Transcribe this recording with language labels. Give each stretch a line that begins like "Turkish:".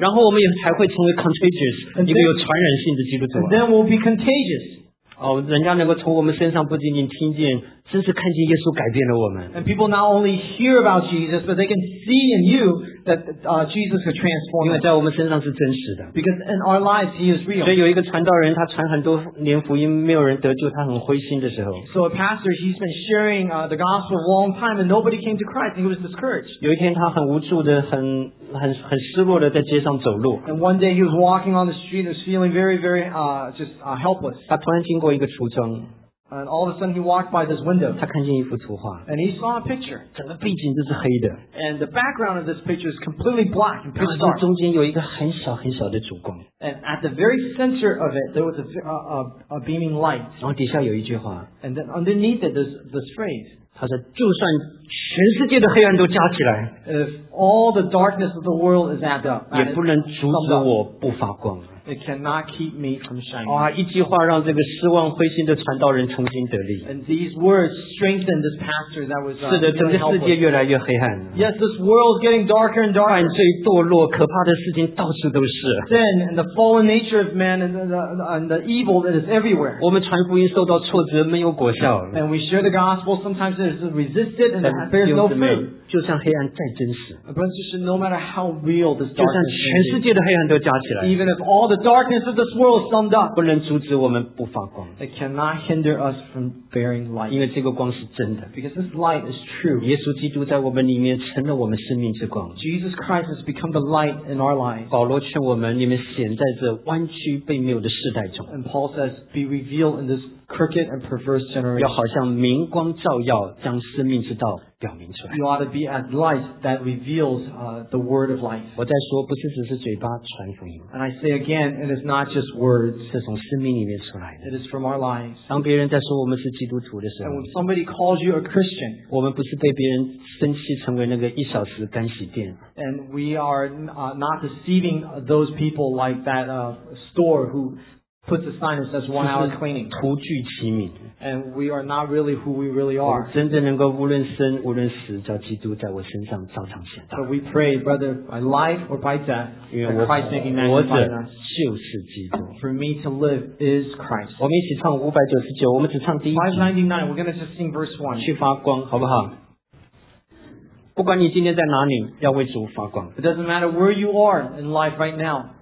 Chinese: 然后我们也才会成为 contagious 一个有传染性的基督徒
English: then we'll be contagious
Chinese: 哦，人家能够从我们身上不仅仅听见真是看见耶稣改变了我们
English: and people not only hear about Jesus but they can see in you that Jesus could transform
Chinese: 因为在我们身上是真实的
English: because in our lives he is real
Chinese: 所以有一个传道人他传很多年福音没有人得救他很灰心的时候
English: so a pastor he's been sharing the gospel a long time and nobody came to Christ and he was discouraged
Chinese: 有一天他很无助的 很失落的在街上走路
English: and one day he was walking on the street and was feeling very very helpless
Chinese: 他突然经过一个橱窗
English: And all of a sudden, he walked by this window.
Chinese: 他看见一幅图画
English: And he saw a picture.
Chinese: 整个背景都是黑的
English: And the background of this picture is completely black and pitch dark.
Chinese: 然后中间有一个很小很小的烛光
English: And at the very center of it, there was a beaming light.
Chinese: 然后底下有一句话
English: And then underneath it, there's this phrase.
Chinese: 他说，就算全世界的黑暗都加起来
English: If all the darkness of the world is added up,
Chinese: 也不能阻止我不发光
English: It cannot keep me from shining.
Chinese: 哇，一句话让这个失望灰心的传道人重新得力。
English: And these words strengthened this pastor that was.
Chinese: 是的，整个世界越来越黑暗。
English: Yes, this world is getting darker and darker.
Chinese: 犯罪堕落，可怕的事情到处都是。
English: Sin and the fallen nature of man and the evil that is everywhere.
Chinese: 我们传福音受到挫折，没有果效。
English: And we share the gospel. Sometimes it is resisted and it bears no fruit.
Chinese: 就像黑暗再真实。
English: But just no matter how real this darkness.
Chinese: 就像全世界的黑暗都加起来。
English: Even if all the darkness of this world summed up
Chinese: 不能阻止我们不发光
English: it cannot hinder us from bearing light
Chinese: 因为这个光是真的
English: because this light is true
Chinese: 耶稣基督在我们里面成了我们生命之光
English: Jesus Christ has become the light in our lives
Chinese: 保罗劝我们你们显在这弯曲悖谬的世代中
English: and Paul says be revealed in this crooked and perverse generation
Chinese: 要好像明光照耀将生命之道表明出来
English: you ought to be as light that reveals the word of life
Chinese: 我在说不是只是嘴巴传福音
English: and I say again it is not just words
Chinese: 是从生命里面出来的
English: it is from our lives
Chinese: 当别人在说我们是基督徒的时候
English: and when somebody calls you a Christian
Chinese: 我们不是被别人生气成为那个一小时干洗店
English: and we are not deceiving those people like that store whoPuts a sign that says one hour cleaning.
Chinese: 徒具其名
English: And we are not really who we really are.
Chinese: 我真正能够无论生无论死叫基督在我身上照常显大
English: But we pray, brother, by life or by death, that Christ may be manifested in us.
Chinese: 就是基督。
English: For me to live is Christ.
Chinese: 我们一起唱599，我们只唱第一句。
English: 599, we're going to just sing verse 1.
Chinese: 去发光，好不好？不管你今天在哪里，要为主发光。
English: It doesn't matter where you are in life right now.